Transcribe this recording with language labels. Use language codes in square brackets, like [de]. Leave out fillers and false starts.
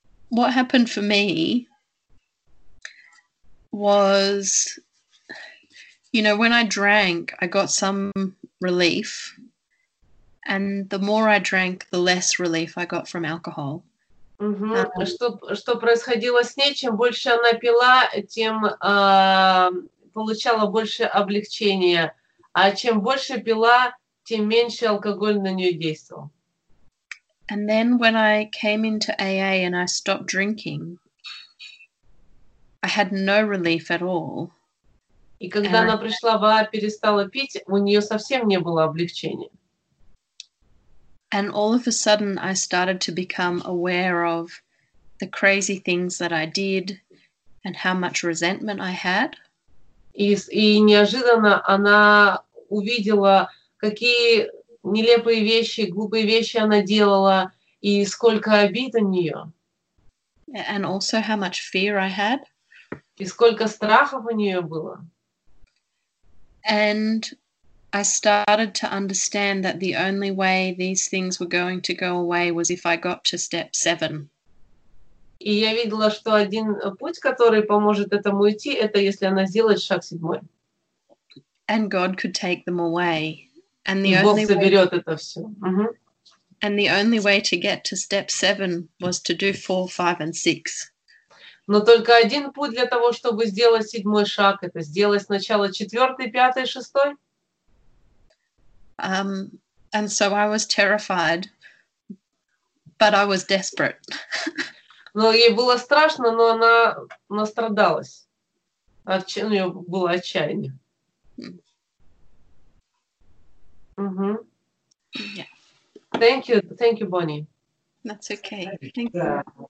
[en] What happened for me was, you know, when I drank, I got some relief. And the more I drank, the less relief I got from alcohol. [ru] Что происходило с ней, чем больше она пила, тем получала больше облегчения. А чем больше пила, тем меньше алкоголь на нее действовал. [en] And then when I came into AA and I stopped drinking, I had no relief at all. [ru] И когда она пришла в АА, перестала пить, у нее совсем не было облегчения. [en] And all of a sudden I started to become aware of the crazy things that I did and how much resentment I had. [ru] И неожиданно она увидела, какие нелепые вещи, глупые вещи она делала, и сколько обид у нее. [en] And also how much fear I had. [ru] И сколько страхов у нее было. [en] And I started to understand that the only way these things were going to go away was if I got to step 7. [ru] И я видела, что один путь, который поможет этому уйти, это если она сделает шаг 7. [en] And God could take them away. And the [ru] Бог [en] only [ru] заберет [en] way... [ru] это все. Uh-huh. [en] And the only way to get to step 7 was to do 4, 5 and 6. [ru] Но только один путь для того, чтобы сделать 7 шаг, это сделать сначала 4, 5, 6. And so I was terrified, but I was desperate. Но ей было страшно, но она настрадалась. У нее было отчаяние. [en] Thank you, Bonnie. That's okay. Thank you.